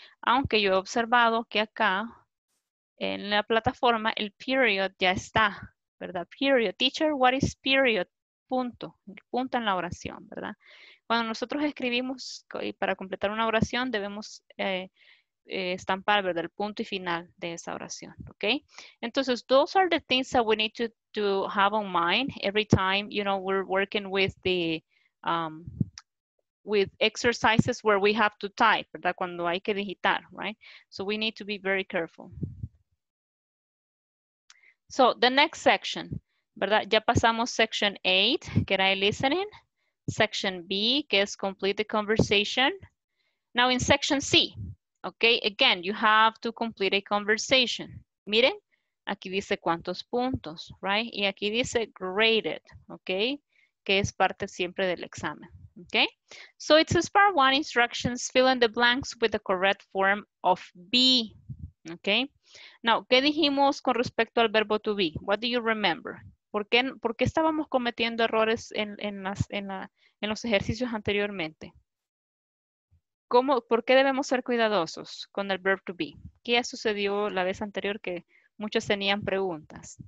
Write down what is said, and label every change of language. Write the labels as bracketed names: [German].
[Spanish] Aunque yo he observado que acá, en la plataforma, el period ya está, ¿verdad? [English] Period. Teacher, what is period? [Spanish] Punto. Punto en la oración, ¿verdad? Cuando nosotros escribimos para completar una oración, debemos estampar, ¿verdad? El punto y final de esa oración, ¿ok? [English] Entonces, those are the things that we need to have on mind every time, you know, we're working with the with exercises where we have to type, ¿verdad? [Spanish] Cuando hay que digitar, [English] right? So we need to be very careful. So the next section, ¿verdad? [Spanish] Ya pasamos [English] section 8, [Spanish] que era [English] listening. Section B, [Spanish] que es [English] complete the conversation. Now in section C, okay, again, you have to complete a conversation. [Spanish] Miren, aquí dice cuántos puntos, right? Y aquí dice graded, okay? Que es parte siempre del examen, okay? [English] So it says part one instructions, fill in the blanks with the correct form of be, okay? Now, [Spanish] ¿qué dijimos con respecto al verbo [English] to be? What do you remember? [Spanish] ¿Por qué estábamos cometiendo errores en los ejercicios anteriormente? ¿Por qué debemos ser cuidadosos con el verb to be? ¿Qué sucedió la vez anterior que muchos tenían preguntas?